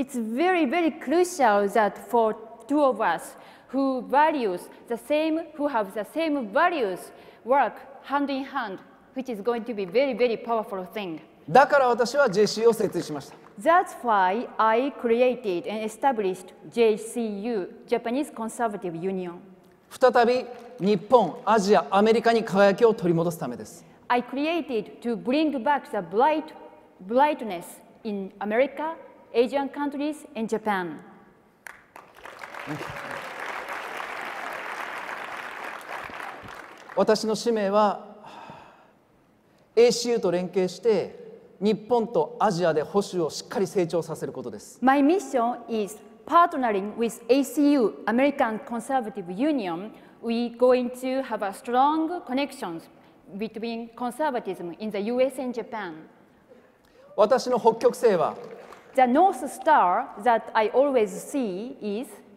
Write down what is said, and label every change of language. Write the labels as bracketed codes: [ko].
[en] It's very, very crucial that for two of us who values the same, who have the same values, work. Hand in hand, which is going to be very, very powerful thing. [ja] だから私は JCU を設立しました。 [en] That's why I created and established JCU, Japanese Conservative Union. [ja] 再び日本、アジア、アメリカに輝きを取り戻すためです。 [en] I created to bring back the brightness in America, Asian countries, and Japan. Thank you. [ja] 私の使命は ACU と連携して日本とアジアで保守をしっかり成長させることです。 [en] My mission is partnering with ACU, American Conservative Union. We going to have a strong connections between conservatism in the US and Japan. [ja] 私の北極星は [en] The North Star that I always see is